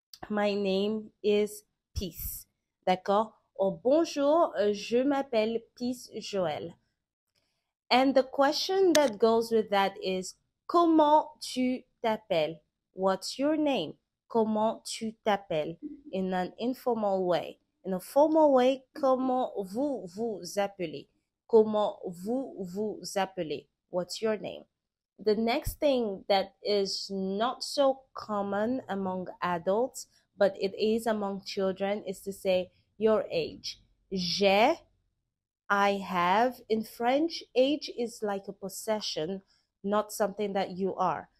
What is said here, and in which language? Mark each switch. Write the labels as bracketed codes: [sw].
[en] My name is Peace. [fr] D'accord? Oh, bonjour, je m'appelle Peace Joël. [en] And the question that goes with that is, [fr] comment tu t'appelles? [en] What's your name? [fr] Comment tu t'appelles? [en] In an informal way. In a formal way, [fr] comment vous vous appelez? Comment vous vous appelez? [en] What's your name? The next thing that is not so common among adults, but it is among children, is to say your age. [fr] J'ai, [en] I have. In French, age is like a possession, not something that you are.